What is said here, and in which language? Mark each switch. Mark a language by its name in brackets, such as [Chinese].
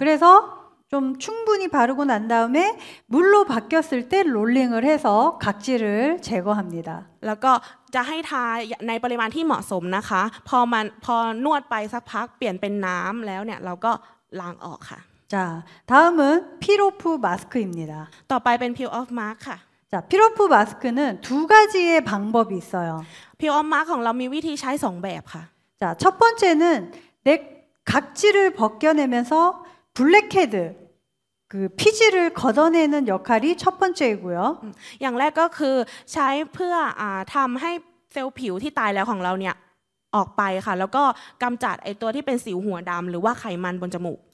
[Korean] 그래서좀충분히바르고난다음에물로바뀌었을때롤링을해서각질을제거합니다 [Thai] แล้วก็จะให้ทาในปริมาณที่เหมาะสมนะคะพอนวดไปสักพักเปลี่ยนเป็นน้ำแล้วเนี่ยเราก็ล้างออกค่ะ [Korean] 자다음은피로프마스크입니다 [Thai] ต่อไปเป็นพิลออฟมาร์คค่ะ [Korean] 자피로프마스크는두가지의방법이있어요 [Thai] พิลออฟมาร์คของเรามีวิธีใช้2แบบค่ะ [Korean] 자첫번째는내각질을벗겨내면서블랙헤드그피질을걷어내는역할이첫번째이고요 [Thai] อย่างแรกก็คือใช้เพื่อทำให้เซลล์ผิวที่ตายแล้วของเราเนี่ยออกไปค่ะแล้วก็กำจัดไอตัวที่เป็นสิวหัวดำหรือว่าไขมันบนจมูก